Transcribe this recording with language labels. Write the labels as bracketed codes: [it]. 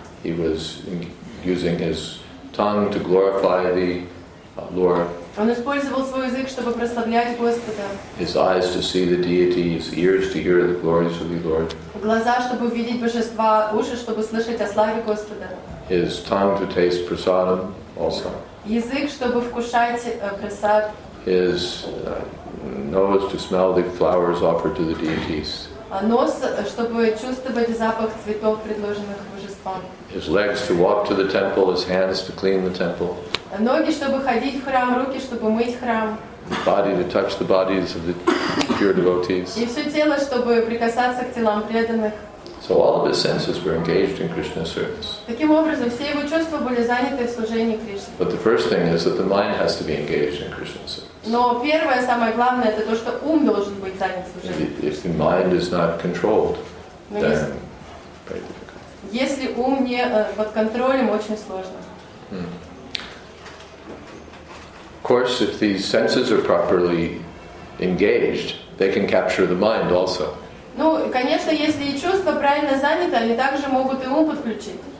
[en] He was using his tongue to glorify the Lord. [ru] Он использовал свой язык, чтобы прославлять Господа. [en] His eyes to see the deity, his ears to hear the glories of the Lord. [ru] Глаза, чтобы увидеть божества, уши, чтобы слышать о славе Господа. [en] His tongue to taste prasadam also. [ru] Язык, чтобы вкушать прасад. [en] His nose to smell the flowers offered to the deities. [ru] Нос, чтобы чувствовать запах цветов, предложенных божествам. [en] His legs to walk to the temple, his hands to clean the temple. [ru] Ноги, чтобы ходить в храм, руки, чтобы мыть храм. [en] Body to touch the bodies of the pure devotees. [ru] И все тело, чтобы прикасаться к телам преданных. [en] So all of his senses were engaged in Krishna's service. [ru] Таким образом, все его чувства были заняты в служении Кришне. [en] But the first thing is that the mind has to be engaged in Krishna's service. [ru] Но первое, самое главное, это то, что ум должен быть занят в служении. [en] If the mind is not controlled, then [ru] если ум не под контролем, очень сложно. [en] Of course, if these senses are properly engaged, they can capture the mind also. [ru] Ну, конечно, если чувства правильно заняты, они также могут и ум подключить.